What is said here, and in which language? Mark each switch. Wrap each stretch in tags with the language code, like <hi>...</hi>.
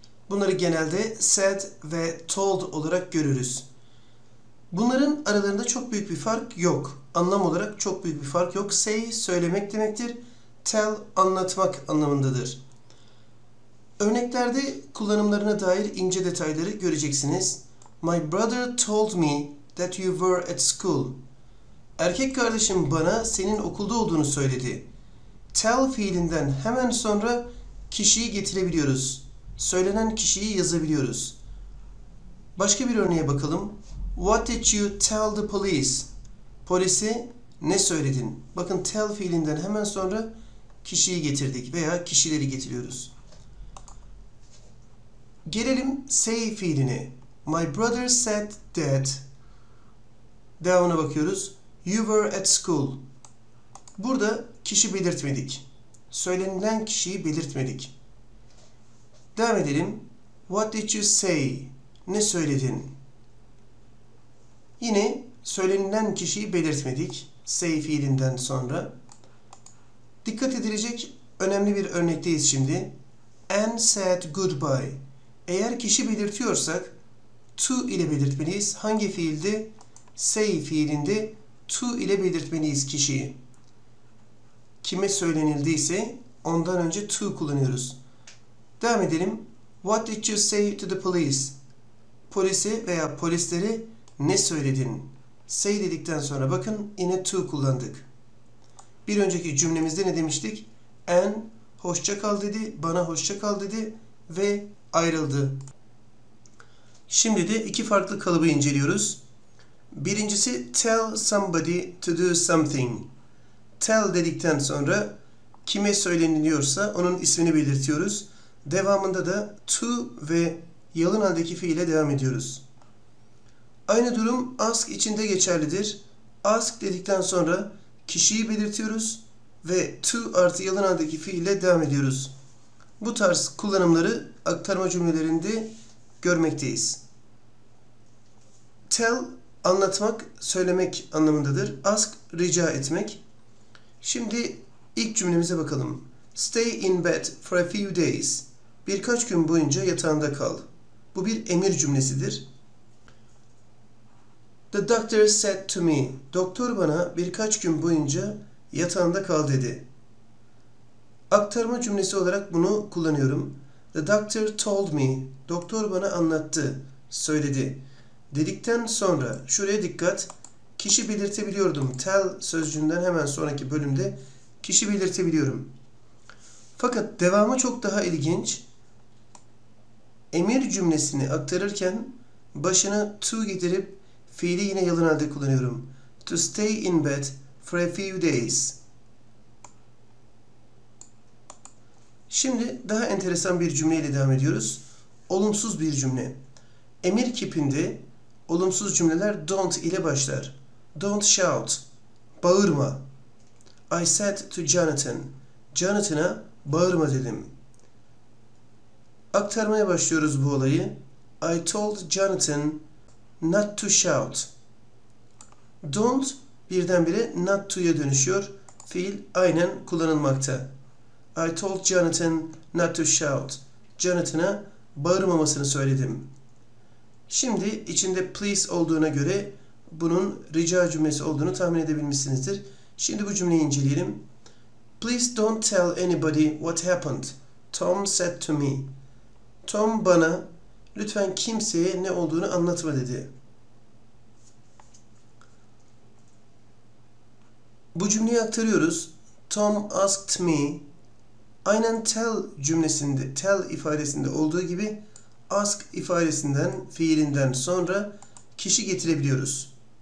<tr>Bunları genelde said ve told olarak görürüz. Bunların aralarında çok büyük bir fark yok. Anlam olarak çok büyük bir fark yok. Say söylemek demektir. Tell anlatmak anlamındadır. Örneklerde kullanımlarına dair ince detayları göreceksiniz.</tr> <en>My brother told me that you were at school.</en> <tr>Erkek kardeşim bana senin okulda olduğunu söyledi. Tell fiilinden hemen sonra kişiyi getirebiliyoruz. Söylenen kişiyi yazabiliyoruz. Başka bir örneğe bakalım.</tr> <en>What did you tell the police?</en> <tr>Polise ne söyledin? Bakın tell fiilinden hemen sonra kişiyi getirdik veya kişileri getiriyoruz. Gelelim say fiiline.</tr> <en>My brother said that.</en> <tr>Devamına bakıyoruz.</tr> <en>You were at school.</en> <tr>Burada kişi belirtmedik. Söylenilen kişiyi belirtmedik. Devam edelim.</tr> <en>What did you say?</en> <tr>Ne söyledin? Yine söylenilen kişiyi belirtmedik. Say fiilinden sonra. Dikkat edilecek önemli bir örnekteyiz şimdi.</tr> <en>Anne said goodbye.</en> <tr>Eğer kişi belirtiyorsak to ile belirtmeliyiz. Hangi fiilde? Say fiilinde to ile belirtmeliyiz kişiyi. Kime söylenildiyse ondan önce to kullanıyoruz. Devam edelim.</tr> <en>What did you say to the police?</en> <tr>Polise veya polislere ne söyledin? Say dedikten sonra bakın yine to kullandık. Bir önceki cümlemizde ne demiştik? Anne hoşça kal dedi, bana hoşça kal dedi ve ayrıldı. Şimdi de iki farklı kalıbı inceliyoruz.</tr> <en>Birincisi tell somebody to do something.</en> <tr>Tell dedikten sonra kime söyleniliyorsa onun ismini belirtiyoruz. Devamında da to ve yalın haldeki fiile devam ediyoruz. Aynı durum ask için de geçerlidir. Ask dedikten sonra kişiyi belirtiyoruz ve to artı yalın haldeki fiile devam ediyoruz. Bu tarz kullanımları aktarma cümlelerinde görmekteyiz. Tell anlatmak, söylemek anlamındadır. Ask rica etmek. Şimdi ilk cümlemize bakalım.</tr> <en>Stay in bed for a few days.</en> <tr>Birkaç gün boyunca yatağında kal. Bu bir emir cümlesidir.</tr> <en>The doctor said to me.</en> <tr>Doktor bana birkaç gün boyunca yatağında kal dedi. Aktarma cümlesi olarak bunu kullanıyorum.</tr> <en>The doctor told me.</en> <tr>Doktor bana anlattı, söyledi. Dedikten sonra şuraya dikkat. Kişi belirtebiliyordum. Tell sözcüğünden hemen sonraki bölümde kişi belirtebiliyorum. Fakat devamı çok daha ilginç. Emir cümlesini aktarırken başına to getirip fiili yine yalın halde kullanıyorum.</tr> <en>To stay in bed for a few days.</en> <tr>Şimdi daha enteresan bir cümleyle devam ediyoruz. Olumsuz bir cümle. Emir kipinde olumsuz cümleler don't ile başlar.</tr> <en>Don't shout.</en> <tr>Bağırma.</tr> <en>I said to Jonathan.</en> <tr>Jonathan'a bağırma dedim. Aktarmaya başlıyoruz bu olayı.</tr> <en>I told Jonathan not to shout.</en> <tr>Don't birdenbire not to'ya dönüşüyor. Fiil aynen kullanılmakta.</tr> <en>I told Jonathan not to shout.</en> <tr>Jonathan'a bağırmamasını söyledim. Şimdi içinde please olduğuna göre bunun rica cümlesi olduğunu tahmin edebilmişsinizdir. Şimdi bu cümleyi inceleyelim.</tr> <en>Please don't tell anybody what happened. Tom said to me.</en> <tr>Tom bana lütfen kimseye ne olduğunu anlatma dedi. Bu cümleyi aktarıyoruz.</tr> <en>Tom asked me.</en> <tr>Aynen tell cümlesinde, tell ifadesinde olduğu gibi ask ifadesinden, fiilinden sonra kişi getirebiliyoruz.</tr>